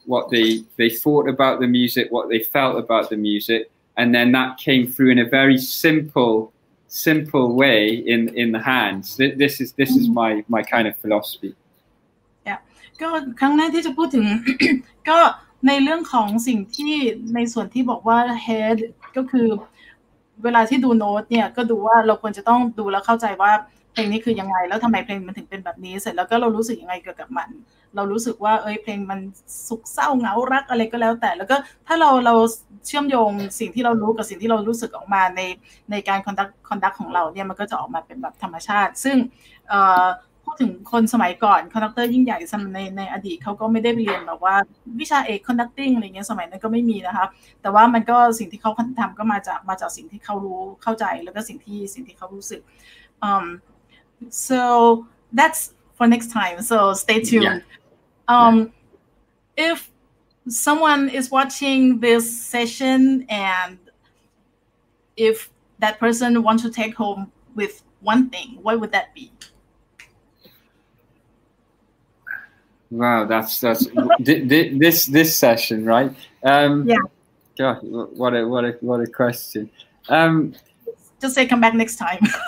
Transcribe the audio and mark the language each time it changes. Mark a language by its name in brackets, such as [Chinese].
[English] It was what they thought about the music, what they felt about the music, and then that came through in a very simple way in the hands. This is my kind of philosophy. [Thai] ก็ครั้งแรกที่จะพูดถึง ก็ในเรื่องของสิ่งที่ในส่วนที่บอกว่า head ก็คือเวลาที่ดูโน้ตเนี่ยก็ดูว่าเราควรจะต้องดูแล้วเข้าใจว่าเพลงนี้คือยังไงแล้วทำไมเพลงมันถึงเป็นแบบนี้เสร็จแล้วก็เรารู้สึกยังไงเกี่ยวกับมันเรารู้สึกว่าเอ้ยเพลงมันสุขเศร้าเหงารักอะไรก็แล้วแต่แล้วก็ถ้าเราเชื่อมโยงสิ่งที่เรารู้กับสิ่งที่เรารู้สึกออกมาในการคอนดักของเราเนี่ยมันก็จะออกมาเป็นแบบธรรมชาติซึ่ง พูดถึงคนสมัยก่อนคอนดักเตอร์ยิ่งใหญ่ในอดีตเขาก็ไม่ได้ไปเรียนแบบว่าวิชาเอกคอนดักติ้งอะไรเงี้ยสมัยนั้นก็ไม่มีนะคะแต่ว่ามันก็สิ่งที่เขาทำก็มาจากสิ่งที่เขารู้เข้าใจแล้วก็สิ่งที่เขารู้สึก [English] so that's for next time so stay tuned if someone is watching this session and if that person wants to take home with one thing what would that be Wow, that's this session, right? Yeah. God, what a question. Just say come back next time.